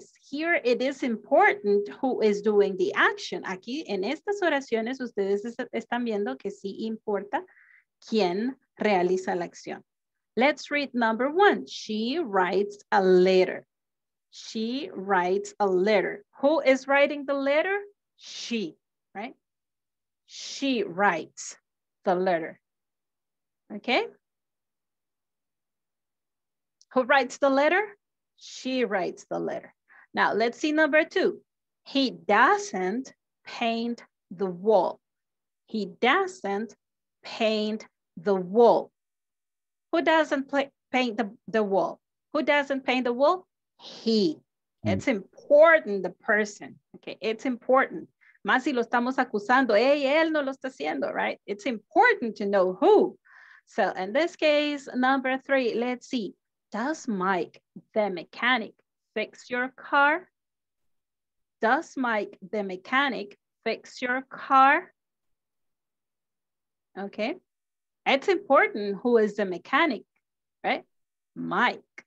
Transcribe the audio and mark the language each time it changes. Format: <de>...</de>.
<en>Here it is important who is doing the action.</en> <es>Aquí en estas oraciones ustedes están viendo que sí importa quién realiza la acción.</es> <en>Let's read number one. She writes a letter. She writes a letter. Who is writing the letter? She, right? She writes the letter, okay? Who writes the letter? She writes the letter. Now let's see number two. He doesn't paint the wall. He doesn't paint the wall. Who doesn't paint the wall? Who doesn't paint the wall? He. It's important, the person. Okay, it's important.</en> <es>Más si lo estamos acusando, hey, él no lo está haciendo, right?</es> <en>It's important to know who. So in this case, number three, let's see. Does Mike, the mechanic, fix your car? Does Mike, the mechanic, fix your car? Okay. It's important who is the mechanic, right? Mike.</en>